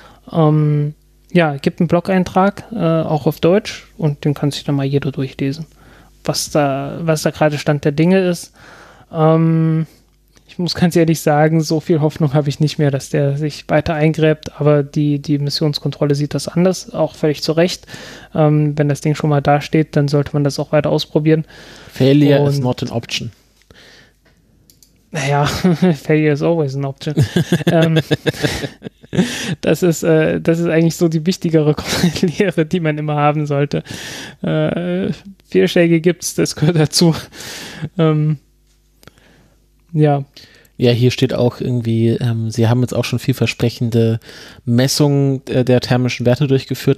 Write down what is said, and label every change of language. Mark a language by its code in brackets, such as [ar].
[de] Ja, gibt einen Blog-Eintrag, auch auf Deutsch, und den kann sich dann mal jeder durchlesen, was da gerade Stand der Dinge ist. Ich muss ganz ehrlich sagen, so viel Hoffnung habe ich nicht mehr, dass der sich weiter eingräbt, aber die Missionskontrolle sieht das anders, auch völlig zu Recht. Wenn das Ding schon mal dasteht, dann sollte man das auch weiter ausprobieren. [en] Failure is not an option. Naja, failure is always an option. [de] das ist eigentlich so die wichtigere Lehre, die man immer haben sollte. Fehlschläge gibt's, das gehört dazu. Ja, hier steht auch irgendwie, sie haben jetzt auch schon vielversprechende Messungen der thermischen Werte durchgeführt.